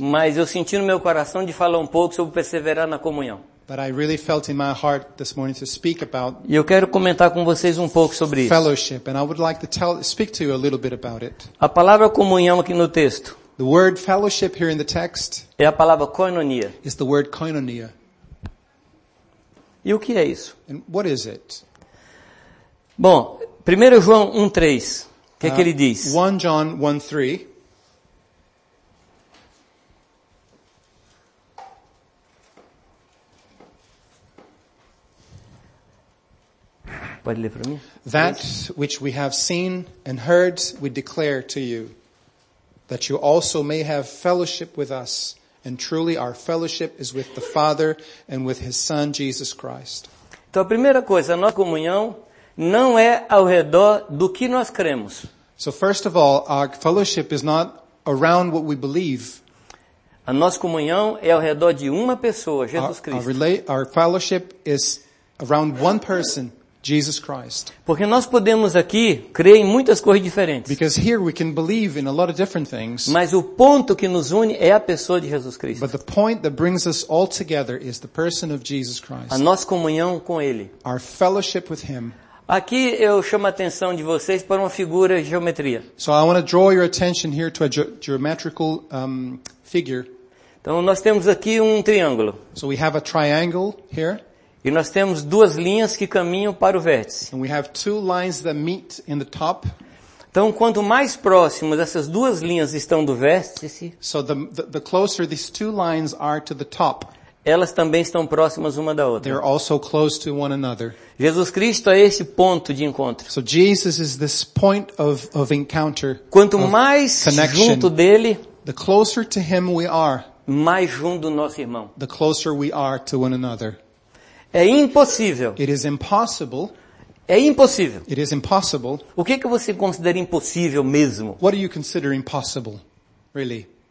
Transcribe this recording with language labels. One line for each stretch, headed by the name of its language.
Portuguese: Mas eu senti no meu coração de falar um pouco sobre perseverar na comunhão.
English: But I really felt in my heart this morning to speak about.
Portuguese: E eu quero comentar com vocês um pouco sobre isso.
English: Fellowship, and I would like to speak to you a little bit about it.
Portuguese: A palavra comunhão aqui no texto.
English: The word fellowship here in the text.
Portuguese: É a palavra koinonia.
English: Is the word koinonia.
Portuguese: E o que é isso?
English: And what is it?
Portuguese: Bom, 1 João 1:3. O que é que ele diz?
English: 1 John 1:3.
Portuguese: Pode ler para mim?
English: That which we have seen and heard, we declare to you, that you also may have fellowship with us, and truly our fellowship is with the Father and with His Son, Jesus Christ.
Portuguese: Então a primeira coisa, a nossa comunhão não é ao redor do que nós cremos.
English: So first of all, our fellowship is not around what we believe.
Portuguese: A nossa comunhão é ao redor de uma pessoa, Jesus Cristo.
English: Our fellowship is around one person. Jesus Christ.
Portuguese: Porque nós podemos aqui crer em muitas coisas diferentes.
English: Because here we can believe in a lot of different things.
Portuguese: Mas o ponto que nos une é a pessoa de Jesus Cristo.
English: But the point that brings us all together is the person of Jesus Christ.
Portuguese: A nossa comunhão com ele.
English: Our fellowship with him.
Portuguese: Aqui eu chamo a atenção de vocês para uma figura de geometria.
English: So I want to draw your attention here to a geometrical figure.
Portuguese: Então nós temos aqui um triângulo.
English: So we have a triangle here.
Portuguese: E nós temos duas linhas que caminham para o vértice.
English: And we have two lines that meet in the top.
Portuguese: Então, quanto mais próximas essas duas linhas estão do vértice,
English: so the closer these two lines are to the top,
Portuguese: Elas também estão próximas uma da outra.
English: They're also close to one another.
Portuguese: Jesus Cristo é esse ponto de encontro.
English: So Jesus is this point of encounter.
Portuguese: Quanto mais junto dele,
English: the closer to him we are,
Portuguese: mais junto do nosso irmão.
English: The closer we are to one another.
Portuguese: É impossível.
English: It is impossible.
Portuguese: É impossível.
English: It is impossible.
Portuguese: O que você considera impossível mesmo?
English: What do you consider impossible, really?